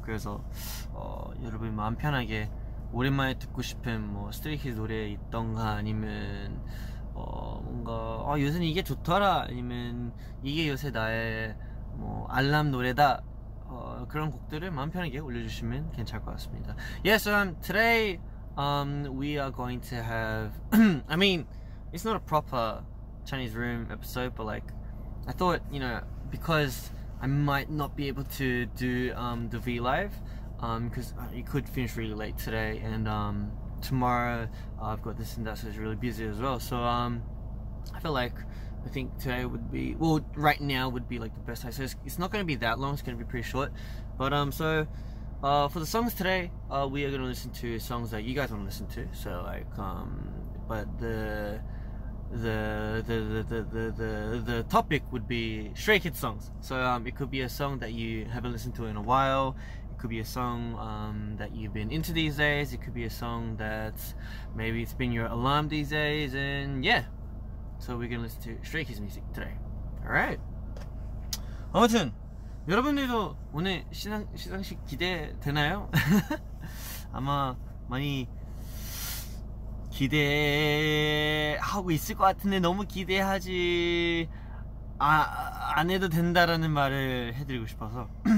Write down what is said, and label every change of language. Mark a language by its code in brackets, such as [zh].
[ko] 그래서 여러분이 마음 편하게 오랜만에 듣고 싶은 뭐 스트레이키즈 노래 있던가 아니면 뭔가 아, 요새는 이게 좋더라. 아니면 이게 요새 나의 뭐 알람 노래다. 그런 곡들을 마음 편하게 올려주시면 괜찮을 것 같습니다. [en] Yes, so today we are going to have. I mean, it's not a proper Chinese room episode, but like, I thought, you know, because I might not be able to do the VLive, because it could finish really late today, and tomorrow I've got this and that, so it's really busy as well. So I feel like I think today would be, well, right now would be like the best time. So it's not gonna be that long. It's gonna be pretty short. But for the songs today, we are gonna listen to songs that you guys wanna listen to. So like, but the topic would be Stray Kids songs. So it could be a song that you haven't listened to in a while. It could be a song that you've been into these days. It could be a song that maybe it's been your alarm these days. And yeah. So we're gonna listen to Stray Kids music today. Alright. [ko] 아무튼 여러분들도 오늘 시상식 기대되나요? 아마 많이 기대하고 있을 것 같은데 너무 기대하지 안 해도 된다라는 말을 해드리고 싶어서.